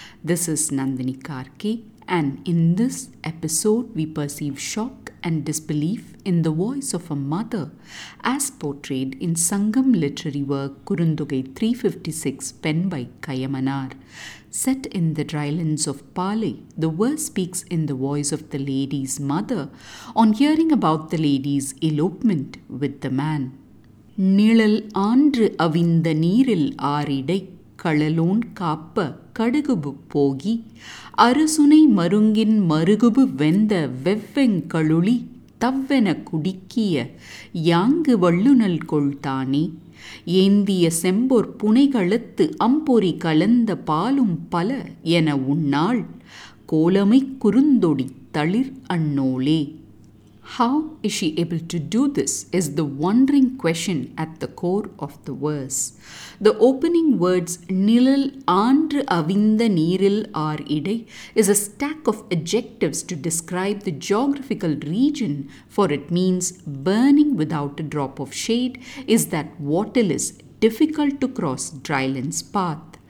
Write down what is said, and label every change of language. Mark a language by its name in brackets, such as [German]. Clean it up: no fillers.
[English] This is Nandini Karki, and in this episode we perceive shock and disbelief in the voice of a mother as portrayed in Sangam literary work Kurundugai 356 penned by Kayamanar. Set in the drylands of Pali, the verse speaks in the voice of the lady's mother on hearing about the lady's elopement with the man. [Tamil] நிழல் ஆன்று அவிந்த நீரில் ஆறிடை கழலோன் காப்ப கடுகுபு போகி அரசுனை மருங்கின் மருகுபு வெந்த வெவ்வெங்கழுளி தவ்வென குடிக்கிய யாங்கு வள்ளுநல் கொள்தானே ஏந்திய செம்பொர் புனைகளுத்து அம்பொறி கலந்த பாலும் பல என உண்ணாள் கோலமை குறுந்தொடி தளிர் அண்ணோளே. [English] How is she able to do this is the wondering question at the core of the verse. The opening words [Tamil] nilal aandru avinda neeril aar idai [English] is a stack of adjectives to describe the geographical region, for it means burning without a drop of shade, is that waterless, difficult to cross dryland's path.